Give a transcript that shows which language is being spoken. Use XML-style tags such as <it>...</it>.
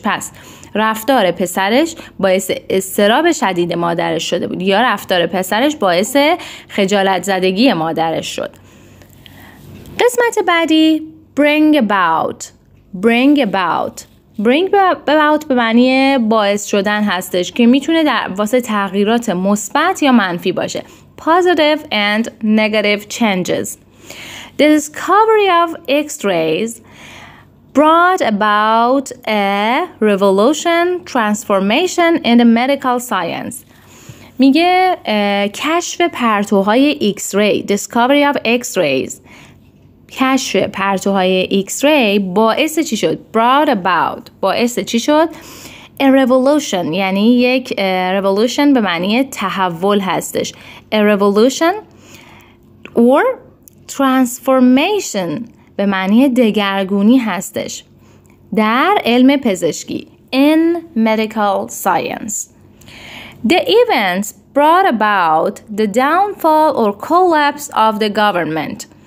<fa>پس رفتار پسرش باعث استراب شدید مادرش شده بود یا رفتار پسرش باعث خجالت زدگی مادرش شد. قسمت بعدی bring about به معنی باعث شدن هستش که میتونه در واسه تغییرات مثبت یا منفی باشه.</fa> <en>positive and negative changes. The discovery of x-rays brought about a revolution transformation in the medical science.</en> <fa>میگه کشف پرتوهای x-ray,</fa> <en>discovery of x-rays.</en> <fa>کشف پرتوهای X-ray باعث چی شد؟ brought about باعث چی شد؟ a revolution یعنی یک revolution به معنی تحول هستش.</fa> <en>a revolution or transformation</en> <fa>به معنی دگرگونی هستش در علم پزشکی.</fa> <en>in medical science. the events brought about the downfall or collapse of the government.</en>